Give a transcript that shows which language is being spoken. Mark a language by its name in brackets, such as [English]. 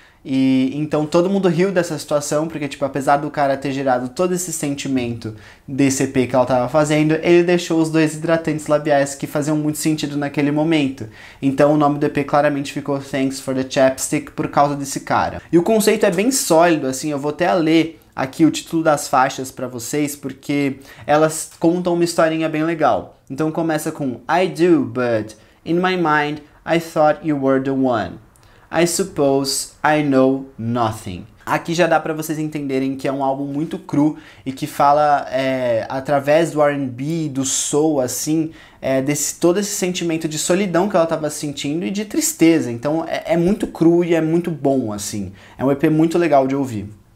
[Portuguese] E então todo mundo riu dessa situação, porque tipo, apesar do cara ter gerado todo esse sentimento de CP que ela tava fazendo, ele deixou os dois hidratantes labiais que faziam muito sentido naquele momento. Então o nome do EP claramente ficou Thanks for the Chapstick por causa desse cara. E o conceito é bem sólido, assim, eu vou até ler aqui o título das faixas pra vocês, porque elas contam uma historinha bem legal. Então começa com [English] I do, but in my mind I thought you were the one. I suppose I know nothing. [Portuguese] Aqui já dá pra vocês entenderem que é um álbum muito cru e que fala através do R&B, do soul, assim, desse todo esse sentimento de solidão que ela tava sentindo e de tristeza. Então é muito cru e é muito bom, assim. É um EP muito legal de ouvir.